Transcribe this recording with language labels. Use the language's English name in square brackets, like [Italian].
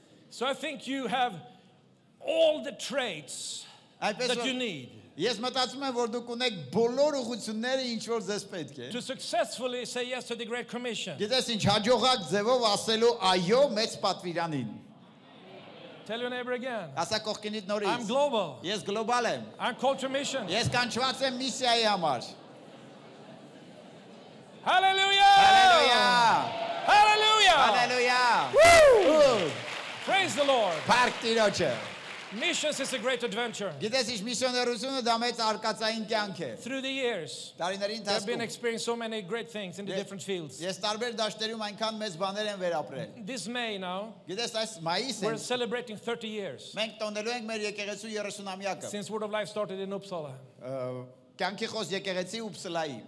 [English] So I think you have all the traits that you need. [Armenian] Ես մտածում եմ, որ դուք ունեք բոլոր ուղղությունները, ինչ որ ձեզ պետք է. [English] To successfully say yes to the Great Commission. [Armenian] Գիտես ինչ հաջողակ ձևով ասելու այո մեծ պատվիրանին. [English] Tell your neighbor again. [Armenian] Ասա կողքինիդ նորից. [English] I'm global. [Armenian] Ես գլոբալ եմ. [English] I'm called to mission. [Armenian] Ես կանչված եմ միսիայի համար. [English] Hallelujah! Hallelujah! Hallelujah! Hallelujah! Woo! Praise the Lord. Park Tiroche. Missions is a great adventure. [Armenian] Գիտես ինչ միսիոներությունը դա մեծ արկածային կյանք է. [English] Through the years. [Armenian] Տարիների ընթացքում. [English] I've been experiencing so many great things in the different fields. [Armenian] Ես տարբեր դաշտերում այնքան մեծ բաներ եմ վերապրել. [English] This May now. [Armenian] Գիտես այս մայիսին. [English] We're celebrating 30 years. [Armenian] Մենք տոնելու ենք մեր եկեղեցու 30-ամյակը. [English] Since Word of Life started in Uppsala. [Armenian] Կյանքի խոս եկեղեցի Ուպսալայի.